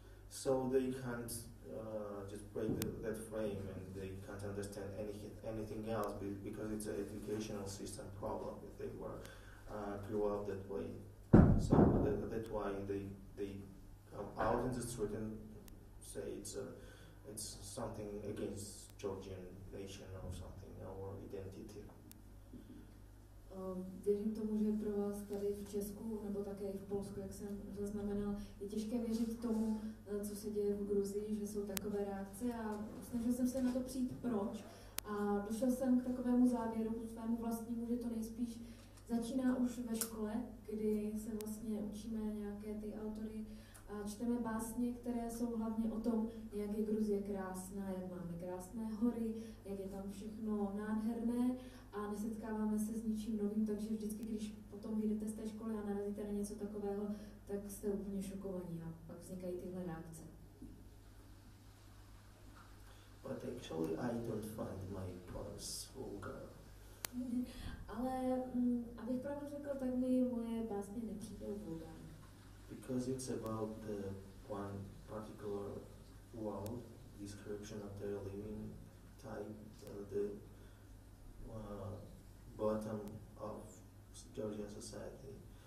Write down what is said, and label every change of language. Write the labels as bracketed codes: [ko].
[en] So they can't just break that frame, and they can't understand anything else because it's an educational system problem that they work. Grew up that way, so that's why they come out in the street and say it's something against Georgian nation or something, our identity. [cs] Věřím tomu, že pro vás tady v Česku nebo také i v Polsku, jak jsem zaznamenal, je těžké věřit tomu, co se děje v Gruzii, že jsou takové reakce, a snažil jsem se na to přijít proč a došel jsem k takovému závěru svému vlastnímu, že to nejspíš začíná už ve škole, kdy se vlastně učíme nějaké ty autory a čteme básně, které jsou hlavně o tom, jak je Gruzie krásná, jak máme krásné hory, jak je tam všechno nádherné, a nesetkáváme se s ničím novým, takže vždycky, když potom vyjdete z té školy a narazíte na něco takového, tak jste úplně šokovaní a pak vznikají tyhle reakce. [en] But actually I don't find my poems vulgar. [cs] Ale abych pravdu řekl, tak mi moje básně nepřijde voda. [en] Because it's about the one particular world, description of their living type, the bottom of Georgian society.